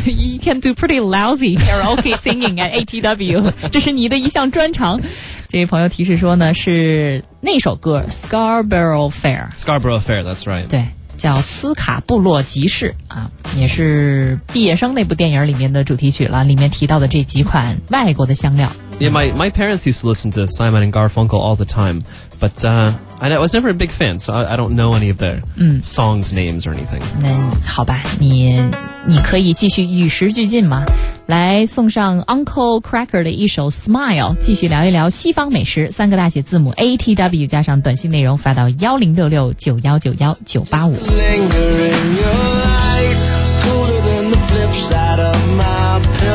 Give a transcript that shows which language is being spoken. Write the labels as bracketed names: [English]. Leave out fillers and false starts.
[English] You can do pretty lousy karaoke singing at ATW. [Chinese] 这是你的一项专长. 这位朋友提示说呢, 是那首歌, Scarborough Fair. [English] Scarborough Fair, that's right. [Chinese] 对。叫斯卡布洛集市, 啊, 也是毕业生那部电影里面的主题曲了, 里面提到的这几款外国的香料。 [English] Yeah, my parents used to listen to Simon and Garfunkel all the time, but I was never a big fan, so I don't know any of their songs names or anything. [Chinese] 那好吧, 你可以继续与时俱进吗? 来送上 Uncle Cracker 的一首 Smile， 继续聊一聊西方美食，三个大写字母 A T W 加上短信内容发到 10669191985。